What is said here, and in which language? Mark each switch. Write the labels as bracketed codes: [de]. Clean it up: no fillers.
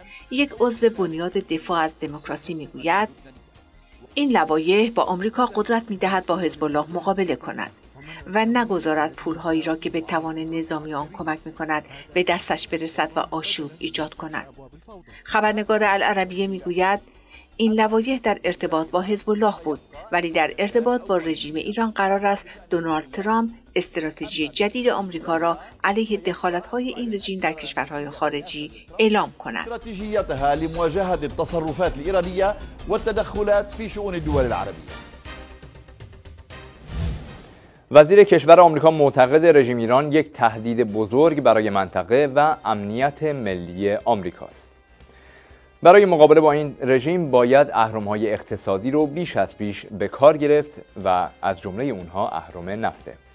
[fa] یک عضو بنیاد دفاع از دموکراسی می‌گوید این لوایح با آمریکا قدرت می‌دهد با حزب الله مقابله کند و نگذارد پول‌هایی را که به توان نظامی آن کمک می‌کند به دستش برسد و آشوب ایجاد کند. خبرنگار العربیه می‌گوید این لوایح در ارتباط با حزب الله بود، ولی در ارتباط با رژیم ایران قرار است دونالد ترامپ استراتژی جدید آمریکا را علیه دخالت‌های این رژیم در کشورهای خارجی اعلام کند. [ar] استراتژیاتها لمواجهه التصرفات الايرانيه والتدخلات في شؤون الدول العربيه. [fa] وزیر کشور آمریکا معتقد رژیم ایران یک تهدید بزرگ برای منطقه و امنیت ملی آمریکا است. برای مقابله با این رژیم باید اهرم‌های اقتصادی رو بیش از پیش به کار گرفت و از جمله اونها اهرم نفته.